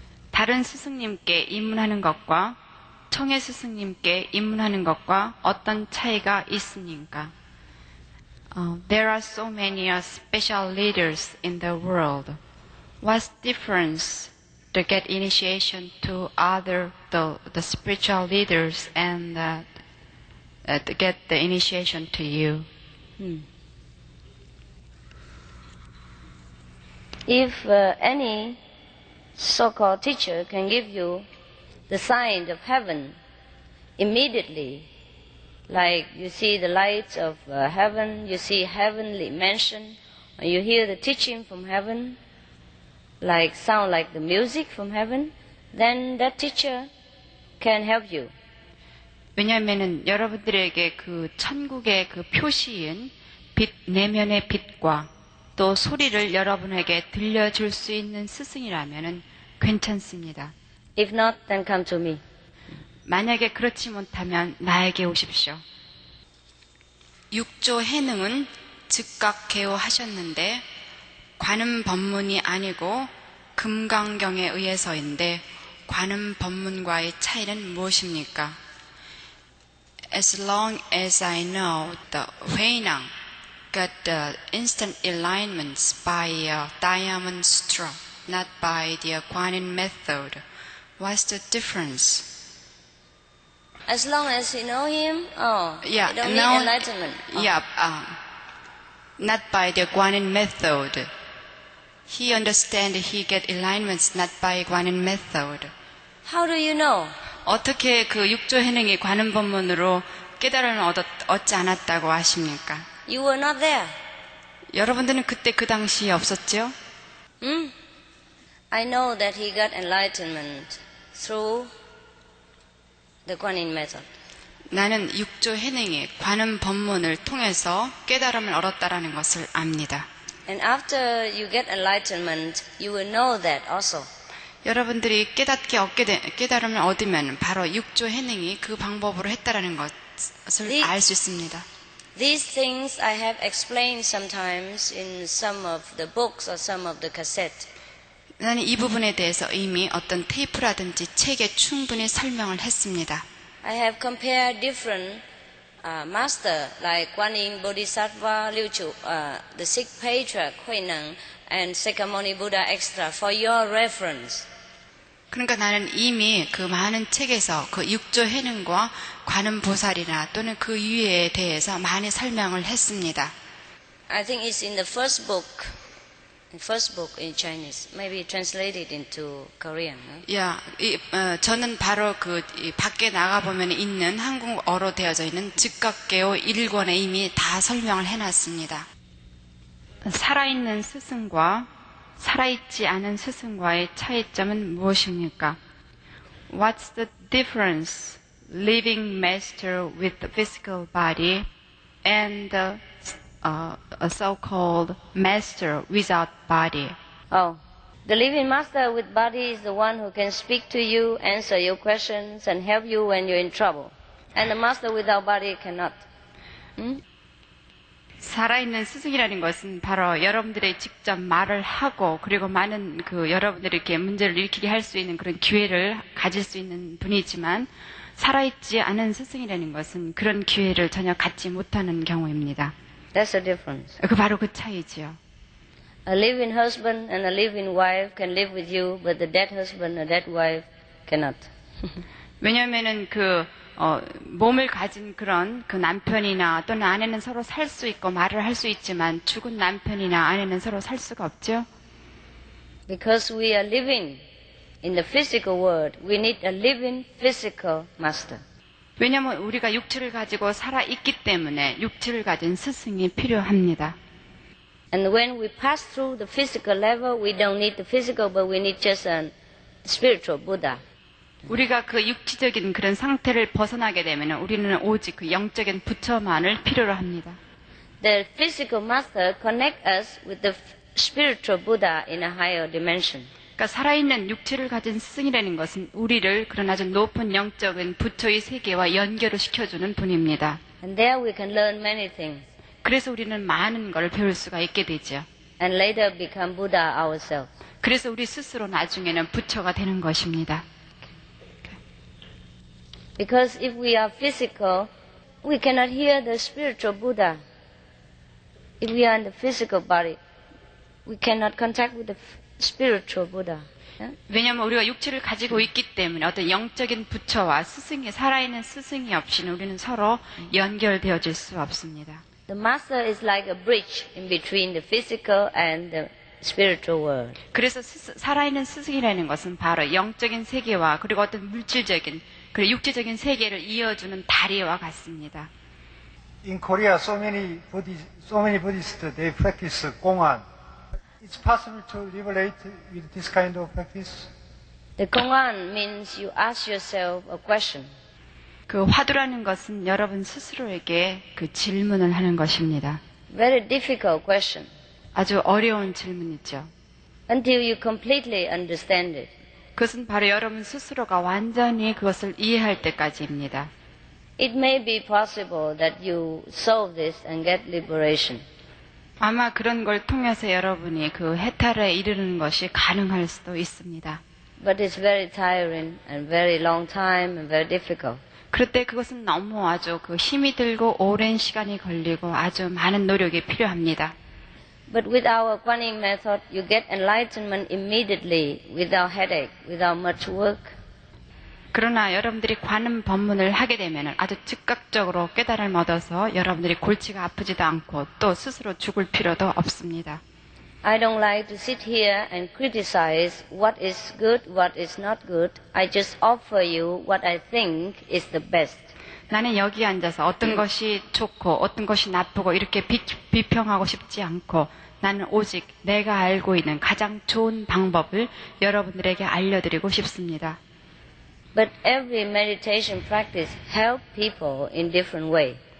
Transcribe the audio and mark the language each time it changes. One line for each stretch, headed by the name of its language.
Korean: 다른 스승님께 입문하는 것과 청해 스승님께 입문하는 것과 어떤 차이가 있습니까?
English: There are so many special leaders in the world. What's the difference to get initiation to other the spiritual leaders and to get the initiation to you? If any so-called teacher can give you the sign of heaven immediately, like you see the light of heaven, you see heavenly mansion, and you hear the teaching from heaven, like sound like the music from heaven, then that teacher can help you.
Korean: 왜냐하면은 여러분들에게 그 천국의 그 표시인 빛 내면의 빛과 또 소리를 여러분에게 들려줄 수 있는 스승이라면은 괜찮습니다.
English: If not, then come to me.
Korean: 만약에 그렇지 못하면 나에게 오십시오. 6조 해능은 즉각 개호하셨는데 관음 법문이 아니고 금강경에 의해서인데 관음 법문과의 차이는 무엇입니까?
English: As long as I know the Huainang got the instant alignments by a diamond straw, not by the Guanyin method, what's the difference? As long as you know him, oh, yeah, you don't need enlightenment. Oh. Yeah, not by the Guanyin method. He understand he get alignments not by Guanyin method. How do you know?
Korean: 어떻게 그 육조 해능이 관음 법문으로 깨달음을 얻지 않았다고 아십니까?
English: You were not there.
Korean: 여러분들은 그때 그 당시에 없었죠?
English: I know that he got enlightenment through the Guanyin method.
Korean: 나는 육조 해능이 관음 법문을 통해서 깨달음을 얻었다라는 것을 압니다.
English: And after you get enlightenment, you will know that also.
Korean: 여러분들이 깨달음을 얻으면 바로 육조 해능이 그 방법으로 했다라는 것을 알 수 있습니다.
English: These things I have explained sometimes in some of the books or some of the cassettes.
Korean: 나는 이 부분에 대해서 이미 어떤 테이프라든지 책에 충분히 설명을 했습니다.
English: I have compared different master like Guanyin Bodhisattva Liu Chu, the sixth patriarch Huineng and Sakyamuni Buddha extra for your reference.
Korean: 그러니까 나는 이미 그 많은 책에서 그 육조 해능과 관음 보살이나 또는 그 위에 대해서 많이 설명을 했습니다.
English: I think it's in the first book. First book in Chinese, maybe translated into Korean. Right?
Korean: Yeah, 이, 저는 바로 그 이 밖에 나가 보면 있는 한국어로 되어져 있는 즉각개호 1권에 이미 다 설명을 해놨습니다. 살아있는 스승과 살아있지 않은 스승과의 차이점은 무엇입니까?
English: What's the difference living master with the physical body and a so-called master without body? Oh, the living master with body is the one who can speak to you, answer your questions, and help you when you're in trouble. And the master without body cannot.
Korean: 살아있는 스승이라는 것은 바로 여러분들의 직접 말을 하고 그리고 많은 그 여러분들에게 문제를 일으키게 할 수 있는 그런 기회를 가질 수 있는 분이지만 살아있지 않은 스승이라는 것은 그런 기회를 전혀 갖지 못하는 경우입니다.
English: That's the difference.
Korean: 그 바로 그 차이지요.
English: A living husband and a living wife can live with you, but the dead husband and dead wife cannot.
Korean: 왜냐하면은 그 몸을 가진 그런 그 남편이나 또는 아내는 서로 살 수 있고 말을 할 수 있지만 죽은 남편이나 아내는 서로 살 수가 없죠.
English: Because we are living in the physical world, we need a living physical master.
Korean: 왜냐하면 우리가 육체를 가지고 살아 있기 때문에 육체를 가진 스승이 필요합니다.
English: And when we pass through the physical level, we don't need the physical, but we need just a spiritual Buddha.
Korean: 우리가 그 육체적인 그런 상태를 벗어나게 되면 우리는 오직 그 영적인 부처만을 필요로 합니다.
English: The physical master connect us with the spiritual Buddha in a higher dimension.
Korean: 그러니까 살아있는 육체를 가진 스승이라는 것은 우리를 그런 아주 높은 영적인 부처의 세계와 연결을 시켜주는 분입니다.
English: And there we can learn many things.
Korean: 그래서 우리는 많은 것을 배울 수가 있게 되죠.
English: And later become Buddha ourselves.
Korean: 그래서 우리 스스로 나중에는 부처가 되는 것입니다.
English: Because if we are physical, we cannot hear the spiritual Buddha. If we are in the physical body, we cannot contact with the spiritual Buddha. Yeah?
Korean: 왜냐하면 우리가 육체를 가지고 있기 때문에 어떤 영적인 부처와 스승이 살아있는 스승이 없이는 우리는 서로 연결되어질 수 없습니다.
English: The master is like a bridge in between the physical and the spiritual world.
Korean: 그래서 살아있는 스승이라는 것은 바로 영적인 세계와 그리고 어떤 물질적인 그리고 육체적인 세계를 이어주는 다리와 같습니다.
English: In Korea, so many Buddhists they practice 공안. It's possible to liberate with this kind of practice? The 공안 means you ask yourself a question.
Korean: 그 화두라는 것은 여러분 스스로에게 그 질문을 하는 것입니다.
English: Very difficult question.
Korean: 아주 어려운 질문이죠.
English: Until you completely understand it.
Korean: 그것은 바로 여러분 스스로가 완전히 그것을 이해할 때까지입니다.
English: It may be possible that you solve this and get liberation.
Korean: 아마 그런 걸 통해서 여러분이 그 해탈에 이르는 것이 가능할 수도 있습니다.
English: But it's very tiring and very long time and very difficult.
Korean: 그때 그것은 너무 아주 그 힘이 들고 오랜 시간이 걸리고 아주 많은 노력이 필요합니다.
English: But with our Guanyin method, you get enlightenment immediately without headache, without much work.
Korean: 그러나 여러분들이 관음 법문을 하게 되면 아주 즉각적으로 깨달음을 얻어서 여러분들이 골치가 아프지도 않고 또 스스로 죽을 필요도 없습니다.
English: I don't like to sit here and criticize what is good, what is not good. I just offer you what I think is the best.
Korean: 나는 여기 앉아서 어떤 것이 좋고 어떤 것이 나쁘고 이렇게 비평하고 싶지 않고 나는 오직 내가 알고 있는 가장 좋은 방법을 여러분들에게 알려드리고 싶습니다.
English: But every meditation practice helps people in different way.